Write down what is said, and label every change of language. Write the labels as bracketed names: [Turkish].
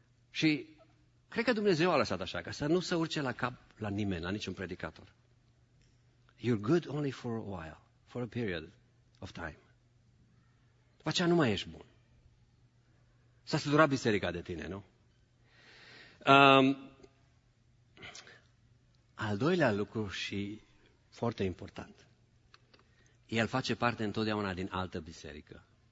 [Romanian] Și cred că Dumnezeu a lăsat așa, ca să nu se urce la cap la nimeni, la niciun predicator. [English] You're good only for a while, for a period of time. [Romanian] După aceea nu mai ești bun. S-a săturat biserica de tine, nu? Al doilea lucru și foarte important. El face parte întotdeauna din altă biserică.